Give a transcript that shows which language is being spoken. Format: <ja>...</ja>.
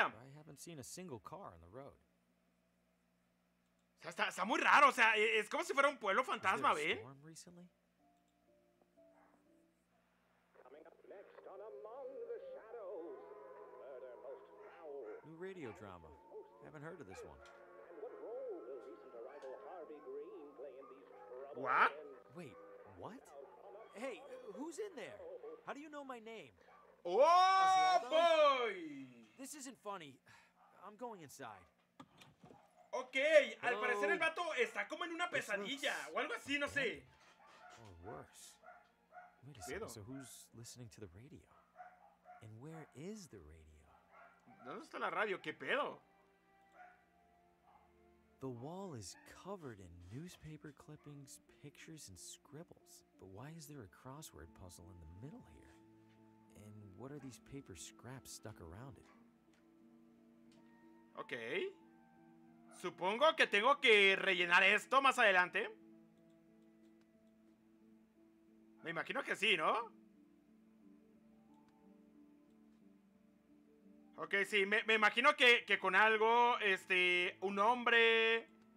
<en>I haven't seen a single car on the road.</en> <es>Está muy raro, o sea, es como si fuera un pueblo fantasma, ¿ven?</es> <en>Coming up next on Among the Shadows. Murder most foul. New radio drama. Haven't heard of this one. What? Wait, what? Hey, who's in there? How do you know my name? Oh, boy! This isn't funny. I'm going inside. Ok, al Hello.</en> <es>Parecer el vato está como en una pesadilla o algo así, no sé.</es> <en>Or worse. Wait a second, so who's listening to the radio? And where is the radio?</en> <es>¿Dónde está la radio? ¿Qué pedo?</es> <en>The wall is covered in newspaper clippings, pictures, and scribbles. But why is there a crossword puzzle in the middle here? And what are these paper scraps stuck around it? Ok.</en> <es>Supongo que tengo que rellenar esto más adelante. Me imagino que sí, ¿no? Ok, sí, me imagino que con algo, un hombre...</es>